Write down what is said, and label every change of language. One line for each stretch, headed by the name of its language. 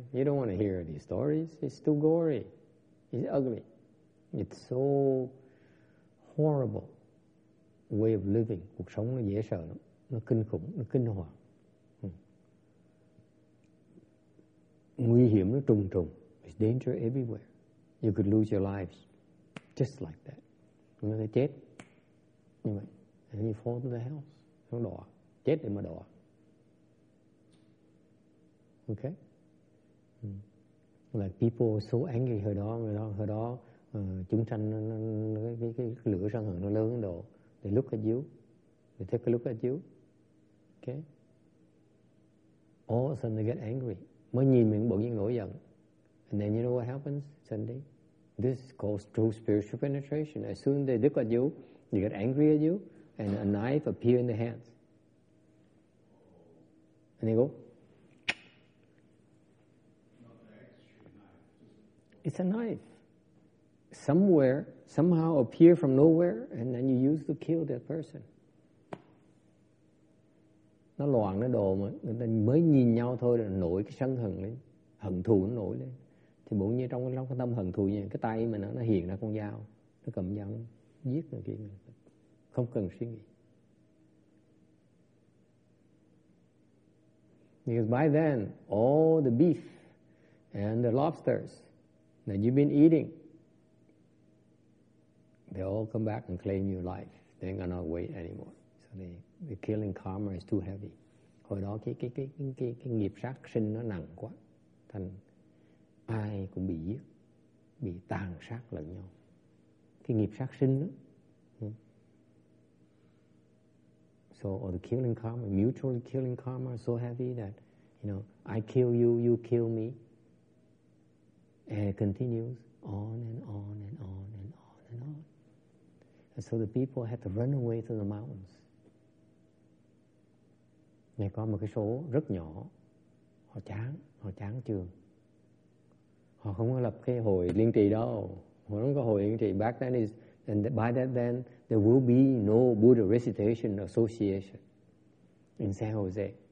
English: You don't want to hear these stories. It's too gory. It's ugly. It's so horrible way of living.
Vietnamese: Cuộc sống nó dễ sợ lắm. Nó kinh khủng, nó kinh hoàng. Nguy hiểm nó trùng trùng.
English: It's danger everywhere. You could lose your lives just like that.
Vietnamese: Nó sẽ chết. Như vậy.
English: And you fall to the hells.
Vietnamese: Nó đọa. Chết để mà đọa.
English: Okay. Like people are so angry
Vietnamese: hồi đó chúng sanh cái lửa sân hận nó lớn đến độ
English: they look at you, they take a look at you. Okay. All of a sudden they get angry.
Vietnamese: Mới nhìn mình bỗng nhiên nổi giận.
English: And then you know what happens suddenly? This is called true spiritual penetration. As soon as they look at you, they get angry at you, and a knife appears in the hands. And they go. It's a knife. Somewhere, somehow appear from nowhere, and then you use to kill that person.
Vietnamese: Nó loạn, nó đồ mà. Người ta mới nhìn nhau thôi là nổi cái sân hận lên. Hận thù nó nổi lên. Thì bỗng nhiên trong cái tâm hận thù như cái tay mình nó hiện ra con dao. Nó cầm dao, nó giết người kia. Không cần suy nghĩ.
English: Because by then, all the beef and the lobsters that you've been eating, they all come back and claim your life. They ain't gonna wait anymore. So the killing karma is too heavy.
Vietnamese: Hồi đó cái nghiệp sát sinh nó nặng quá, thành ai cũng bị giết, bị tàn sát lẫn nhau. Cái nghiệp sát sinh đó.
English: So or the killing karma, mutually killing karma so heavy that, you know, I kill you, you kill me. And it continues on and on and on and on and on. And so the people had to run away to the mountains.
Vietnamese: Này có một cái số rất nhỏ, họ chán trường. Họ không có lập cái hội liên trì đâu. Họ không có hội liên trì.
English: Back then is, and by that then, there will be no Buddha Recitation Association in San Jose.